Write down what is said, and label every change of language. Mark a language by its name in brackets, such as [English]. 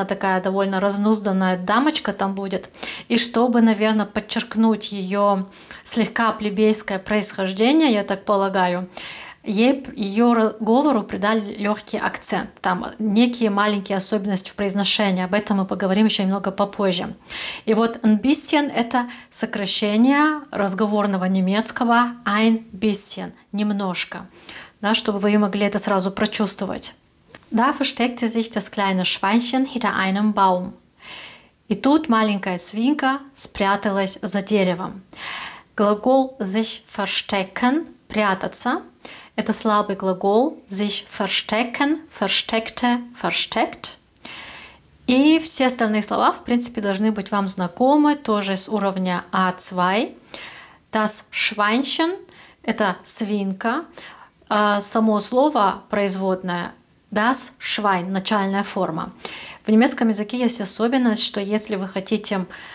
[Russian] Она такая довольно разнузданная дамочка там будет. И чтобы, наверное, подчеркнуть ее слегка плебейское происхождение, я так полагаю, ее говору придали легкий акцент, там некие маленькие особенности в произношении, об этом мы поговорим еще немного попозже. И вот ein bisschen – это сокращение разговорного немецкого ein bisschen – немножко, да, чтобы вы могли это сразу прочувствовать. [German] Da versteckte sich das kleine Schweinchen hinter einem Baum. [Russian] И тут маленькая свинка спряталась за деревом. Глагол sich verstecken – прятаться. Это слабый глагол sich verstecken, versteckte, versteckt. И все остальные слова, в принципе, должны быть вам знакомы, тоже с уровня А2. Das Schweinchen – это свинка. Само слово производное – das Schwein – начальная форма. В немецком языке есть особенность, что если вы хотите